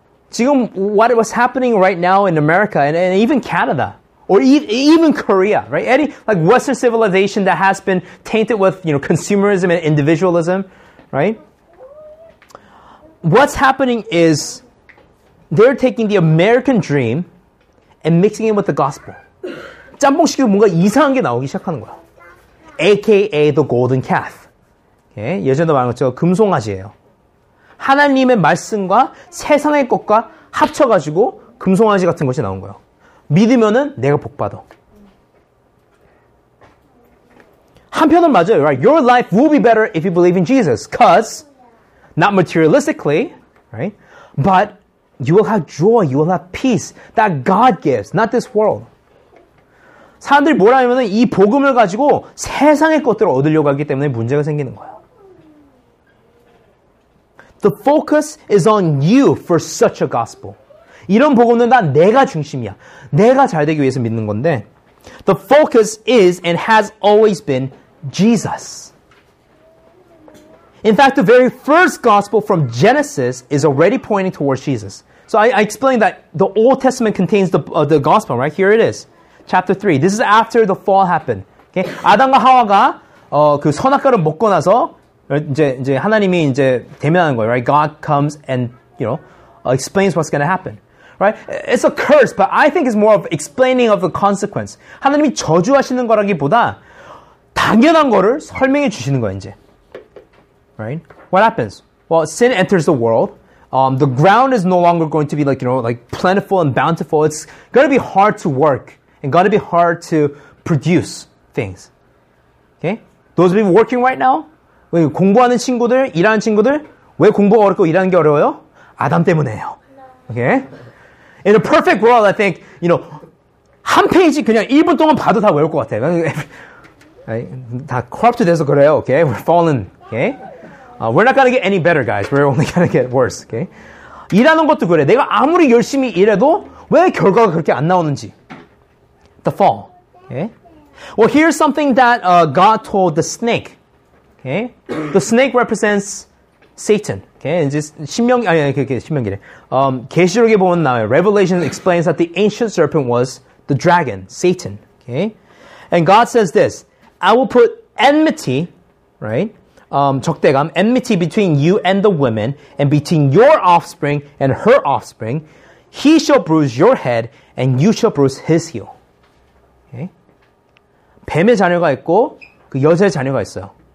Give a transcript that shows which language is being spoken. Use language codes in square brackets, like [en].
[ko] 지금 [en] what was happening right now in America and even Canada or even Korea, right? Any like Western civilization that has been tainted with, you know, consumerism and individualism, right? What's happening is they're taking the American dream and mixing it with the gospel. [ko] 짬뽕 시키고 뭔가 이상한 게 나오기 시작하는 거야. [en] AKA the golden calf. [ko] 예, 예전에도 말했죠. 금송아지예요. 하나님의 말씀과 세상의 것과 합쳐가지고 금송아지 같은 것이 나온 거예요. 믿으면은 내가 복받아. 한편은 맞아요. [en] Right? Your life will be better if you believe in Jesus. Because, not materialistically, right? But you will have joy, you will have peace that God gives, not this world. [ko] 사람들이 뭐라 하냐면은 이 복음을 가지고 세상의 것들을 얻으려고 하기 때문에 문제가 생기는 거예요. [en] The focus is on you for such a gospel. [ko] 이런 복음은 다 내가 중심이야. 내가 잘 되기 위해서 믿는 건데. [en] The focus is and has always been Jesus. In fact, the very first gospel from Genesis is already pointing towards Jesus. So I explained that the Old Testament contains the gospel, right? Here it is. Chapter 3. This is after the fall happened. Okay? [ko] 아담과 하와가 그 선악과를 먹고 나서 이제 하나님이 이제 대면하는 거예요, right? [en] God comes and, you know, explains what's going to happen, right? It's a curse, but I think it's more of explaining of the consequence. [ko] 하나님이 저주하시는 거라기보다 당연한 거를 설명해 주시는 거예요, 이제. [en] Right? What happens? Well, sin enters the world. The ground is no longer going to be like, you know, like plentiful and bountiful. It's going to be hard to work and going to be hard to produce things. Okay? Those of you working right now? [ko] 공부하는 친구들, 일하는 친구들? 왜 공부가 어렵고 일하는 게 어려워요? 아담 때문에요. [en] Okay? In a perfect world, I think, you know, [ko] 한 페이지 그냥 1분 동안 봐도 다 외울 것 같아요. [en] 다 corrupted [ko] 돼서 그래요. [en] Okay? We're fallen. Okay? We're not going to get any better, guys. We're only going to get worse. Okay? [ko] 일하는 것도 그래. 내가 아무리 열심히 일해도 왜 결과가 그렇게 안 나오는지. [en] The fall. Okay? Well, here's something that God told the snake. Okay? The snake represents Satan. Okay? And just [ko] 신명기래. 계시록에 보면 나와요. [en] Revelation explains that the ancient serpent was the dragon, Satan. Okay? And God says this, I will put enmity, right? [ko] 적대감, [en] enmity between you and the woman, and between your offspring and her offspring. He shall bruise your head, and you shall bruise his heel. Okay? [ko] 뱀의 자녀가 있고, 그 여자의 자녀가 있어요.